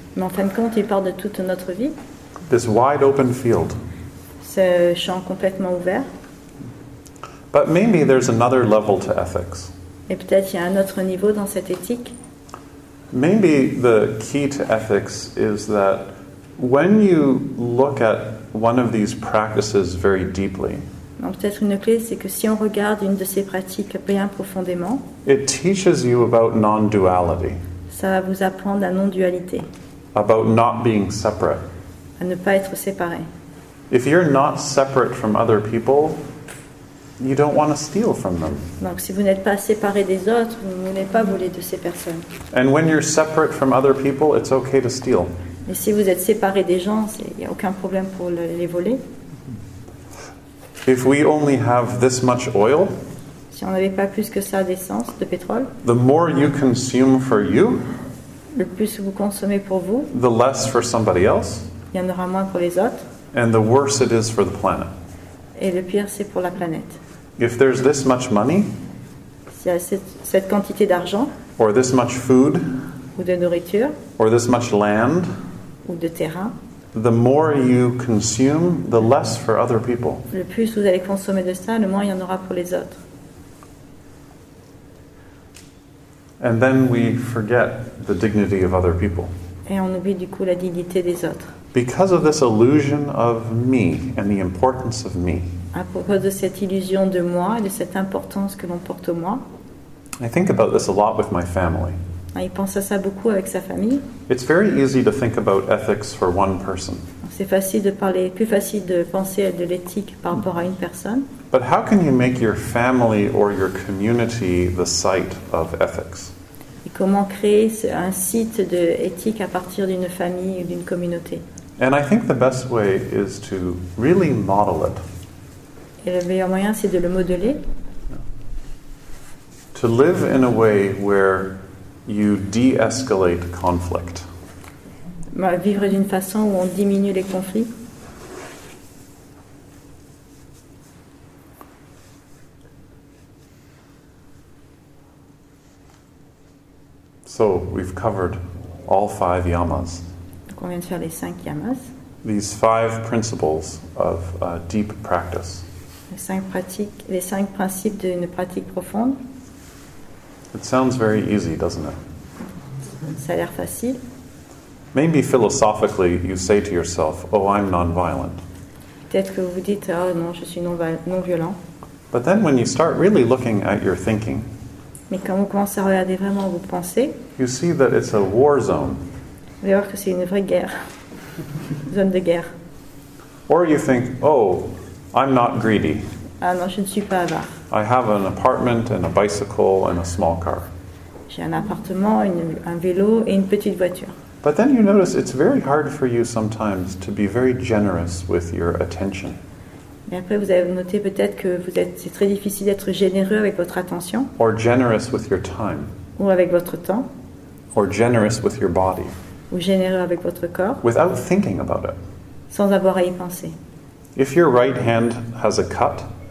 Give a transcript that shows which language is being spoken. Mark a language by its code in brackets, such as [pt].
[fr] Mais en fin de compte, il parle de toute notre vie. [en] This wide open field. [fr] Ce champ complètement ouvert. [en] But maybe there's another level to ethics. [fr] Et peut-être il y a un autre niveau dans cette éthique. [en] Maybe the key to ethics is that when you look at one of these practices very deeply, [fr] donc peut-être une clé, c'est que si on regarde une de ces pratiques bien profondément, [en] it teaches you about non-duality. [fr] Ça va vous apprendre la non-dualité. [en] About not being separate. [fr] À ne pas être séparé. [en] If you're not separate from other people, you don't want to steal from them. [fr] Donc si vous n'êtes pas séparé des autres, vous ne voulez pas voler de ces personnes. [en] And when you're separate from other people, it's okay to steal. [fr] Et si vous êtes séparé des gens, il n'y a aucun problème pour les voler. [en] If we only have this much oil, [fr] si on n'avait pas plus que ça d'essence, de pétrole, [en] the more you consume for you, [fr] le plus que vous consommez pour vous, [en] the less for somebody else, [fr] il y en aura moins pour les autres, [en] and the worse it is for the planet. [fr] Et le pire, c'est pour la planète. [en] If there's this much money, [fr] s'il y a cette quantité d'argent, [en] or this much food, [fr] ou de nourriture, [en] or this much land, [fr] ou de terrain, [en] the more you consume, the less for other people. [fr] Le plus vous allez consommer de ça, le moins il y en aura pour les autres. [en] And then we forget the dignity of other people. [fr] Et on oublie du coup la dignité des autres. [en] Because of this illusion of me and the importance of me. [fr] À propos de cette illusion de moi et de cette importance que l'on porte au moi. [en] I think about this a lot with my family. [fr] Il pense à ça beaucoup avec sa famille. [en] It's very easy to think about ethics for one person. [fr] C'est facile de parler, plus facile de penser à de l'éthique par rapport à une personne. [en] But how can you make your family or your community the site of ethics? [fr] Et comment créer un site de éthique à partir d'une famille ou d'une communauté? [en] And I think the best way is to really model it. [fr] Et le meilleur moyen, c'est de le modeler. [en] To live in a way where you de-escalate conflict. [fr] Vivre d'une façon où on diminue les conflits. [en] So we've covered all five yamas. [fr] Donc on vient de faire les cinq yamas. [en] These five principles of deep practice. [fr] Les cinq principes d'une pratique profonde. [en] It sounds very easy, doesn't it? [fr] Ça a l'air facile. [en] Maybe philosophically you say to yourself, "Oh, I'm non-violent." [fr] Peut-être que vous dites, oh, non, je suis non-violent. [en] But then when you start really looking at your thinking, [fr] mais quand vous commencez à regarder vraiment vos pensées, [en] you see that it's a war zone. [fr] Vous allez voir que c'est une vraie guerre, zone de guerre. [en] Or you think, oh, I'm not greedy. [fr] Ah non, je ne suis pas avare. [en] I have an apartment and a bicycle and a small car. [fr] J'ai un appartement, un vélo et une petite voiture. [en] But then you notice it's very hard for you sometimes to be very generous with your attention. [fr] Et après, vous avez noté peut-être que c'est très difficile d'être généreux avec votre attention. [en] Or generous with your time. [fr] Ou avec votre temps. [en] Or generous with your body. [fr] Ou généreux avec votre corps. [en] Without thinking about it. [fr] Sans avoir à y penser. [en] If your right hand has a cut,